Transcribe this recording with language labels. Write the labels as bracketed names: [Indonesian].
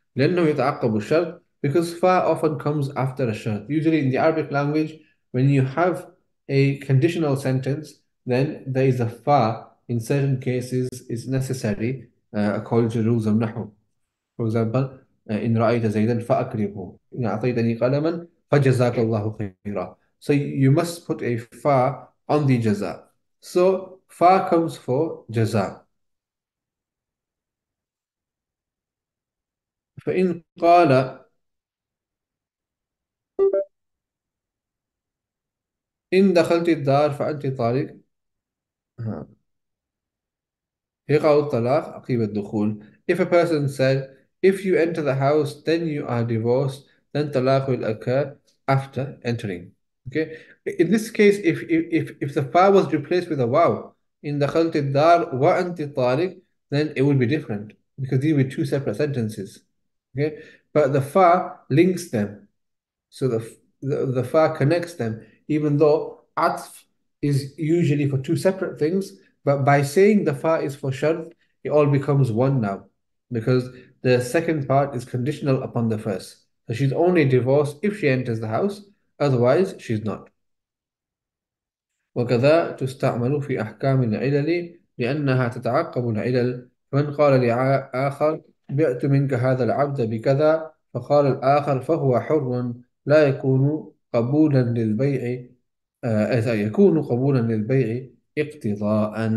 [Arabic] لأنه يتعقب الشرط, [English] because fa often comes after a shart. Usually in the Arabic language, when you have a conditional sentence, then there is a fa in certain cases is necessary according to the rules of nahw. For example, [Arabic] إن رأيت زيدا فأكرمه, إن أعطيتني قلما فجزاك الله خيرا. [English] So you must put a fa on the jaza. So fa comes for jaza. [Arabic] فإن قال إن دخلت الدار فأنت طالق, يقع الطلاق عقب الدخول. [English] If a person said, if you enter the house, then you are divorced, then talaq will occur after entering. Okay. In this case, if the fa was replaced with a waw, in [Arabic] دخلت الدار وأنت طالق, [English] then it would be different because these were two separate sentences. Okay. But the fa links them. So the fa connects them, even though atf is usually for two separate things. But by saying the fa is for shart, it all becomes one now, because the second part is conditional upon the first. So she's only divorced if she enters the house, otherwise she's not. [Arabic] وكذا تستعمل في أحكام العلل لأنها تتعقب العلل. فمن قال لآخر بعت منك هذا العبد بكذا، فقال الآخر فهو حر لا يكون قبولا للبيع، إذا يكون قبولا للبيع اقتضاء.